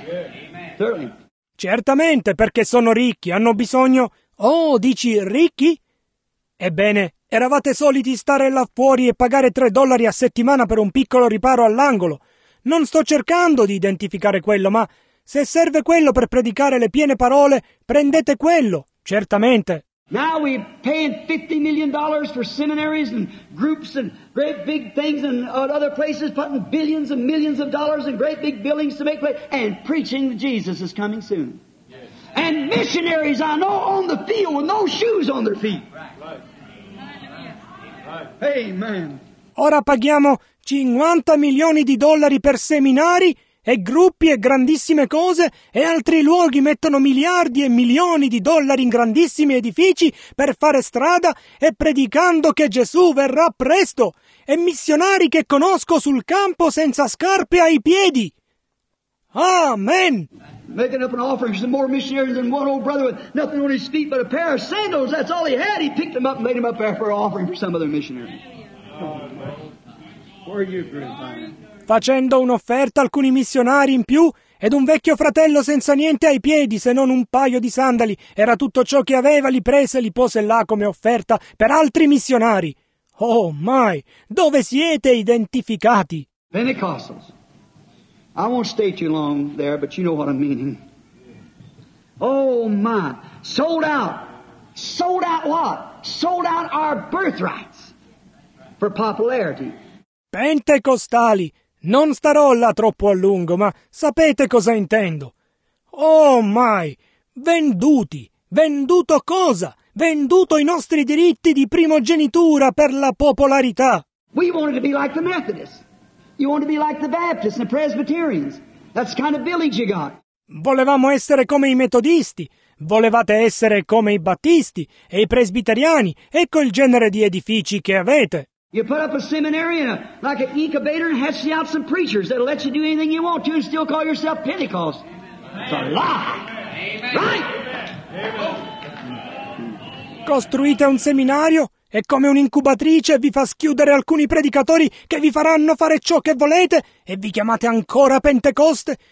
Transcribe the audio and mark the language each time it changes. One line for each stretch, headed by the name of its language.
English: Yeah. Amen.
Italian: Certamente, perché sono ricchi, hanno bisogno... Oh, dici ricchi? Ebbene, eravate soliti stare là fuori e pagare $3 a settimana per un piccolo riparo all'angolo. Non sto cercando di identificare quello, ma Se serve quello per predicare le piene parole, prendete quello, certamente.
English: Now we paying $50 million for seminaries and groups and great big things and other places, putting billions and millions of dollars in great big buildings to make place, and preaching that Jesus is coming soon. And missionaries I know on the field with no shoes on their feet. Amen.
Italian: Ora paghiamo 50 milioni di dollari per seminari e gruppi e grandissime cose, e altri luoghi mettono miliardi e milioni di dollari in grandissimi edifici per fare strada e predicando che Gesù verrà presto, e missionari che conosco sul campo senza scarpe ai piedi.
English: Amen. Making up an offering to more missionaries than one old brother with nothing on his feet but a pair of sandals. That's all he had. He picked them up and laid them up there for an offering for some other missionary. Where are you, Grandfather?
Italian: Facendo un'offerta a alcuni missionari in più ed un vecchio fratello senza niente ai piedi se non un paio di sandali. Era tutto ciò che aveva, li prese e li pose là come offerta per altri missionari.
English: Oh my,
Italian: dove siete identificati?
English: Pentecostals. I won't stay too long there, but you know what I'm meaning. Oh my, sold out. Sold out what? Sold out our birthrights for popularity.
Italian: Pentecostali. Non starò là troppo a lungo, ma sapete cosa intendo.
English: Oh my,
Italian: venduti, venduto cosa? Venduto i nostri diritti di primogenitura per la popolarità.
English: We wanted to be like the Methodists. You wanted to be like the Baptists and the Presbyterians. That's the kind of village you got.
Italian: Volevamo essere come i metodisti. Volevate essere come i battisti e i presbiteriani. Ecco il genere di edifici che avete.
English: You put up a seminary and a, like an incubator and hatch out some preachers that'll let you do anything you want to and still call yourself Pentecost. It's a lie. Amen. Right?
Italian: Costruite un seminario e come un'incubatrice vi fa schiudere alcuni predicatori che vi faranno fare ciò che volete e vi chiamate ancora Pentecoste?